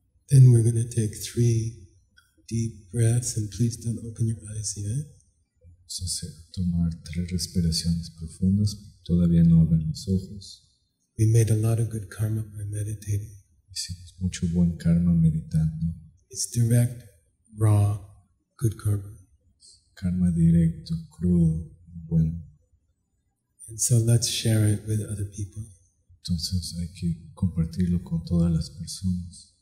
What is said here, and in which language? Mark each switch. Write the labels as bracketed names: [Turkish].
[English] And we're going to take 3 deep breaths, and please don't open your eyes yet. [Spanish] Vamos a tomar 3 respiraciones profundas, todavía no abren los ojos. [English] We made a lot of good karma by meditating. [Spanish] Hicimos mucho buen karma meditando. [English] It's direct, raw, good karma. [Spanish] Karma directo, crudo, buen. [English] And so let's share it with other people. [Spanish] Entonces hay que compartirlo con todas las personas.